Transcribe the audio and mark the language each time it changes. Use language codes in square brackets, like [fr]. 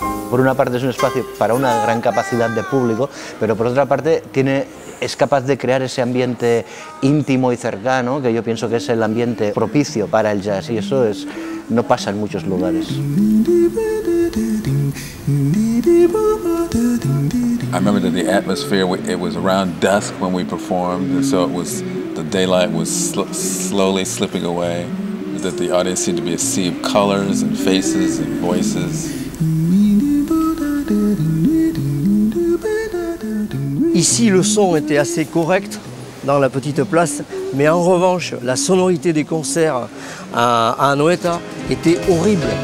[es] Por una parte es un espacio para una gran capacidad de público, pero por otra parte tiene es capaz de crear ese ambiente íntimo y cercano, que yo pienso que es el ambiente propicio para el jazz, y eso es, no pasa en muchos lugares. [en] I remember that the atmosphere, it was around dusk when we performed, and so it was, the daylight was slowly slipping away, that the audience seemed to be a sea of colors and faces and voices. [fr] Ici, le son était assez correct dans la petite place, mais en revanche, la sonorité des concerts à Anoeta était horrible.